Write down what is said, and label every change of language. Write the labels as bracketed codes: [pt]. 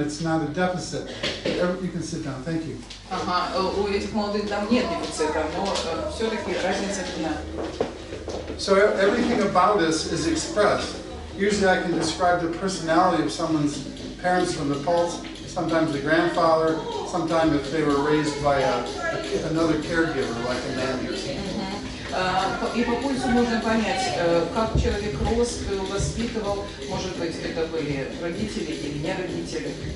[en] It's not a deficit. You can sit down. Thank you. [ru] У этих молодых там нет дефицита, но все-таки разница видна. [en] So everything about this is expressed. Usually I can describe the personality of someone's parents from the pulse, sometimes the grandfather, sometimes if they were raised by another caregiver, like a nanny or something. [ru] И по пульсу можно понять, как человек рос, воспитывал, может быть, это были родители или не родители.